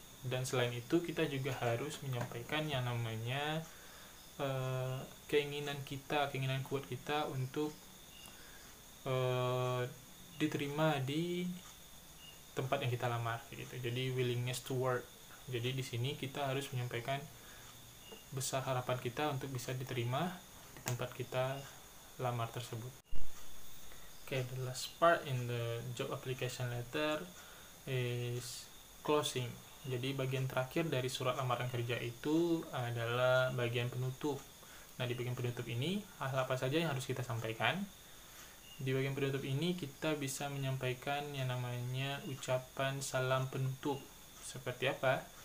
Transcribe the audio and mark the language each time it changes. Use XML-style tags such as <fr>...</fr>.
<id>Dan selain itu, kita juga harus menyampaikan yang namanya keinginan kuat kita untuk diterima di tempat yang kita lamar gitu. Jadi willingness to work. Jadi di sini kita harus menyampaikan besar harapan kita untuk bisa diterima di tempat kita lamar tersebut.</id> <en>Okay, the last part in the job application letter is closing.</en> <id>Jadi bagian terakhir dari surat lamaran kerja itu adalah bagian penutup. Nah, di bagian penutup ini hal apa saja yang harus kita sampaikan? Di bagian penutup ini kita bisa menyampaikan yang namanya ucapan salam penutup. Seperti apa?</id>